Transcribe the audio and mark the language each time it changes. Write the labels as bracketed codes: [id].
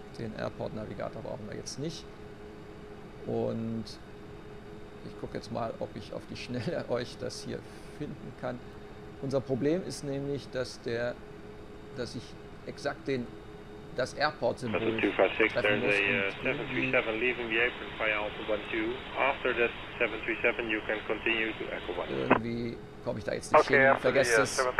[de] Den Airport Navigator brauchen wir jetzt nicht. Und ich gucke jetzt mal, ob ich auf die Schnelle euch das hier finden kann. Unser Problem ist nämlich, dass der, dass ich exakt den das Airport Symbol. [en] Also 256, there's a 737 leaving the apron via Alpha 12. After that 737, you can continue to Echo 1. [de] Irgendwie komme ich da jetzt nicht hin. Vergesst es.